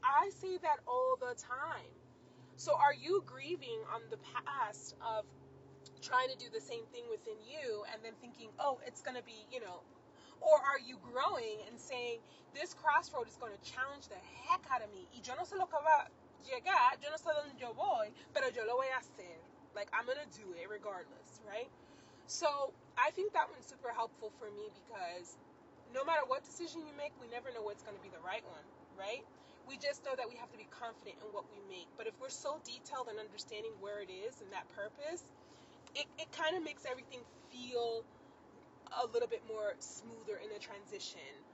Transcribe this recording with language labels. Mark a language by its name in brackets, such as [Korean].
[English] I say that all the time. So are you grieving on the past of trying to do the same thing within you and then thinking, oh, it's going to be, you know, or are you growing and saying, this crossroad is going to challenge the heck out of me. [Spanish] Y yo no sé lo que va a llegar, yo no sé dónde yo voy, pero yo lo voy a hacer. [English] Like, I'm going to do it regardless, right? So I think that one's super helpful for me because no matter what decision you make, we never know what's going to be the right one, right? We just know that we have to be confident in what we make. But if we're so detailed in understanding where it is and that purpose, it kind of makes everything feel a little bit more smoother in the transition.